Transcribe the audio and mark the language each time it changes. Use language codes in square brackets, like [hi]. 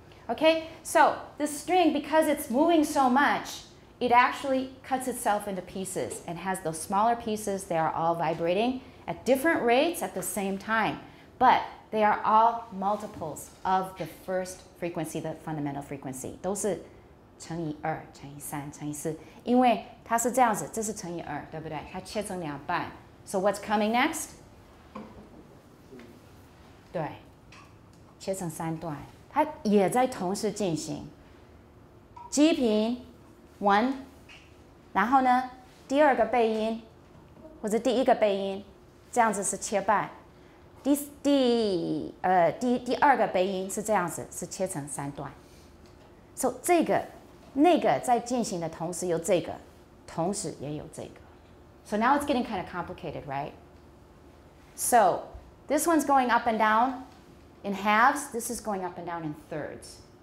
[en] Okay, so the string, because it's moving so much, it actually cuts itself into pieces and has those smaller pieces. They are all vibrating at different rates at the same time, but they are all multiples of the first frequency, the fundamental frequency. [zh] 都是乘以二、乘以三、乘以四，因为它是这样子，这是乘以二，对不对？它切成两半。 [en] So what's coming next? [zh] 对，切成三段，它也在同时进行。基频 one， 然后呢，第二个倍音或者第一个倍音，这样子是切半。第二个倍音是这样子，是切成三段。 So 这个、那个在进行的同时有这个，同时也有这个。 [en] So now it's getting kind of complicated, right? So this one's going up and down in halves. This is going up and down in thirds.